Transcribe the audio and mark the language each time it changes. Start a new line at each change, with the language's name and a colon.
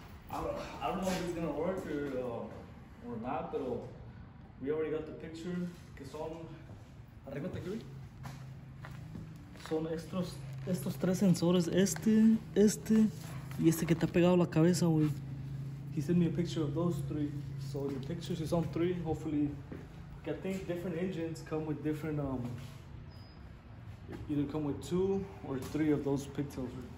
English: I don't know if it's gonna work or not, but we already got the picture.
Spanish: Que son arriba te aquí. Son estos tres sensores, este y este que está pegado a la cabeza, güey.
English: He sent me a picture of those three. So the pictures is on three. Hopefully, I think different engines come with different either come with two or three of those pigtails.